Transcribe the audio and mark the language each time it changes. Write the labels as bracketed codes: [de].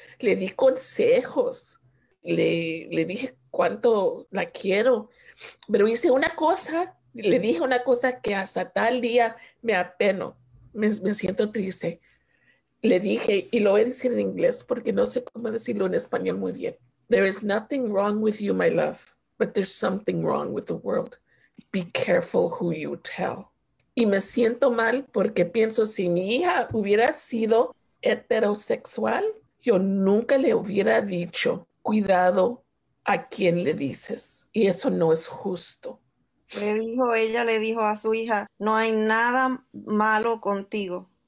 [es] Le di consejos, le dije cuánto la quiero. Pero hice una cosa, le dije una cosa que hasta tal día me apeno, me siento triste. Le dije, y lo voy a decir en inglés porque no sé cómo decirlo en español muy bien. [en] There is nothing wrong with you, my love, but there's something wrong with the world. Be careful who you tell. [es] Y me siento mal porque pienso, si mi hija hubiera sido heterosexual, yo nunca le hubiera dicho, cuidado a quien le dices. Y eso no es justo. Ella le dijo a su hija, no hay nada malo contigo.